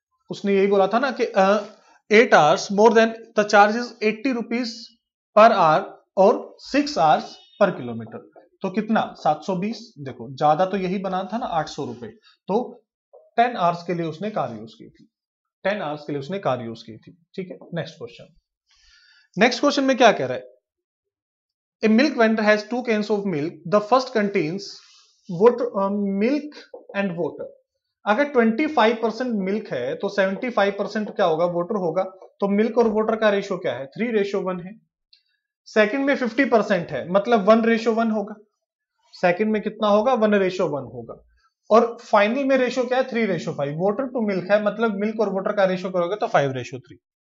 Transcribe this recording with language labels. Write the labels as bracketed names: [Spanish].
[Hindi] उसने यही बोला था ना कि [English] 8 hours more than the charges 80 rupees पर hour और 6 hours पर किलोमीटर, [Hindi] तो कितना 720, देखो ज्यादा तो यही बना था ना 800 रुपए, तो 10 आवर्स के लिए उसने कार यूज की थी, 10 आवर्स के लिए उसने कार यूज की थी, ठीक है। नेक्स्ट क्वेश्चन, नेक्स्ट क्वेश्चन में क्या कह रहा है, [English] A milk vendor has 2 cans of milk. The first contains water, milk and water. [Hindi] अगर 25% milk है तो 75% क्या होगा, water होगा, तो milk और water का ratio क्या है, 3:1 है। Second में 50% है, मतलब 1:1 होगा, second में कितना होगा, 1:1 होगा, और final में ratio क्या है, 3:5, water to milk है, मतलब milk और water का ratio करोगे तो 5:3।